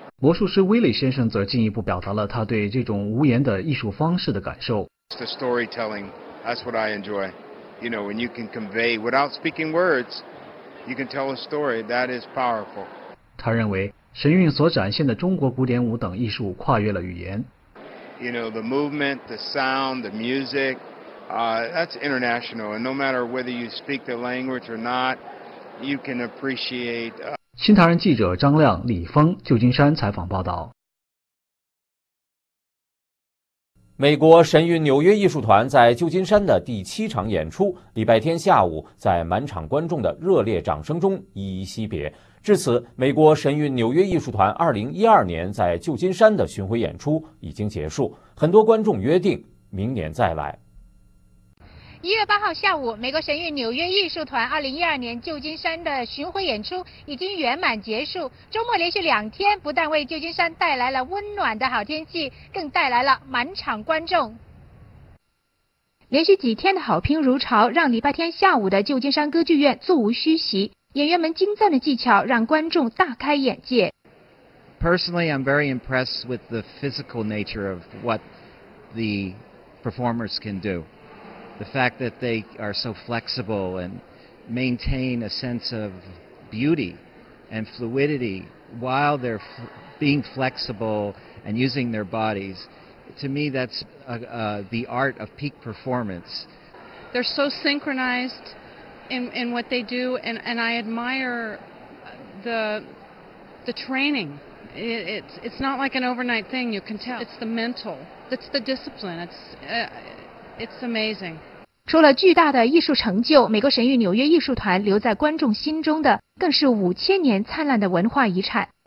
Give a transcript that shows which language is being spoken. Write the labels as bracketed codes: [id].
[zh] 魔术师 Willie 先生则进一步表达了他对这种无言的艺术方式的感受。 [en] It's the storytelling. That's what I enjoy. You know, when you can convey without speaking words. You can tell a story that is powerful. [zh] 他认为神韵所展现的中国古典舞等艺术跨越了语言。 [en] You know, the movement, the sound, the music, that's international. And no matter whether you speak the language or not, you can appreciate. [zh] 新唐人记者张亮、李峰，旧金山采访报道。美国神韵纽约艺术团在旧金山的第七场演出，礼拜天下午在满场观众的热烈掌声中依依惜别。至此，美国神韵纽约艺术团2012年在旧金山的巡回演出已经结束，很多观众约定明年再来。 1月8号下午，美国神韵纽约艺术团2012年旧金山的巡回演出已经圆满结束。周末连续两天，不但为旧金山带来了温暖的好天气，更带来了满场观众。连续几天的好评如潮，让礼拜天下午的旧金山歌剧院座无虚席。演员们精湛的技巧让观众大开眼界。 [en] Personally, I'm very impressed with the physical nature of what the performers can do. The fact that they are so flexible and maintain a sense of beauty and fluidity while they're being flexible and using their bodies, to me that's the art of peak performance. They're so synchronized in what they do, and I admire the training. It's not like an overnight thing, you can tell. It's the mental, it's the discipline, it's amazing. [zh] 除了巨大的艺术成就，美国神韵纽约艺术团留在观众心中的更是五千年灿烂的文化遗产。